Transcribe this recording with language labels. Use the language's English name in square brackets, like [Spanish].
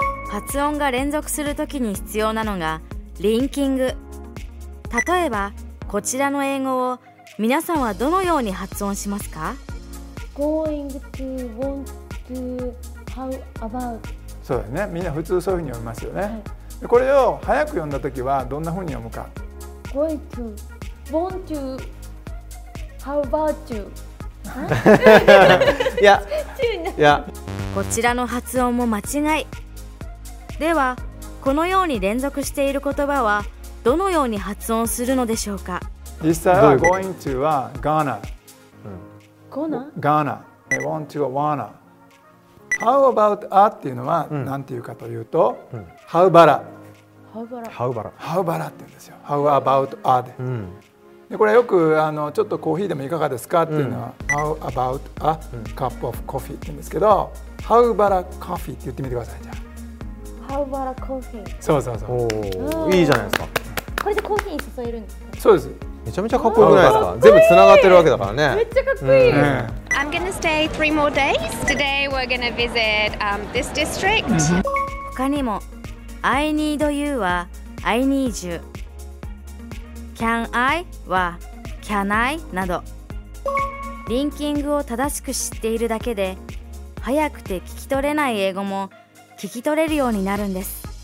[Japanese] 発音が連続する時に必要なのがリンキング。例えばこちらの英語を皆さんはどのように発音しますか？ [English] Going to want to how about。 [Japanese] そうだね、みんな普通そういうふうに読みますよね、はい、これを早く読んだときはどんなふうに読むか。 [English] Going to want to how about you。 [Japanese] いや、こちらの発音も間違い。ではこのように連続している言葉はどのように発音するのでしょうか。実際は [English] going to [Japanese] は [English] gonna、 [Japanese] うん、 gonna、 [English] I want to [Japanese] は [English] wanna。 How about a [Japanese] っていうのは何て言うかというと、うん、how about a、 [English] how about a、 how about a [Japanese] って言うんですよ。how about a で、うん、でこれよくちょっとコーヒーでもいかがですかっていうのは、うん、 [English] how about a cup of coffee [Japanese] って言うんですけど、うん、 [English] how about a coffee [Japanese] って言ってみてください。じゃあ [English] How about a coffee? [Japanese] そうそうそう、おいいじゃないですか。これでコーヒーに注げるんですか。そうです、めちゃめちゃかっこよくないですか。全部つながってるわけだからね。めっちゃかっこいい、うんうん、 [English] I'm gonna stay three more days. Today we're gonna visit this district. [Japanese] 他にも [English] I need you [Japanese] は I need you、 [English] Can I [Japanese] は Can I などリンキングを正しく知っているだけで早くて聞き取れない英語も聞き取れるようになるんです。